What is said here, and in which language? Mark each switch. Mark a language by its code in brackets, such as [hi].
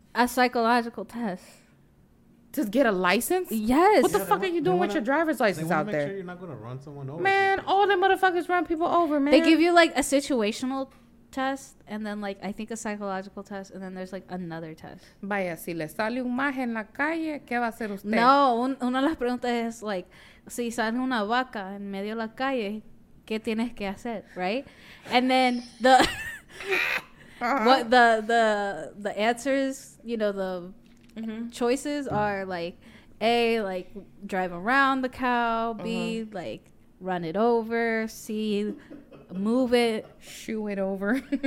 [en] A psychological test. to get a license? Yes. What the fuck are you doing with your driver's license out there? They want to make sure you're not going to run someone over. Man, all them motherfuckers run people over, man. They give you, like, a situational test, and then, like, I think a psychological test, and then there's, like, another test. [es] Vaya, si le sale un maje en la calle, ¿qué va a hacer usted? No, una de las preguntas es, like, si sale una vaca en medio de la calle, ¿qué tienes que hacer, right? [en] And then the... what the answers, you know, the choices are like A, like drive around the cow, B, like run it over, C, move it, shoo it over,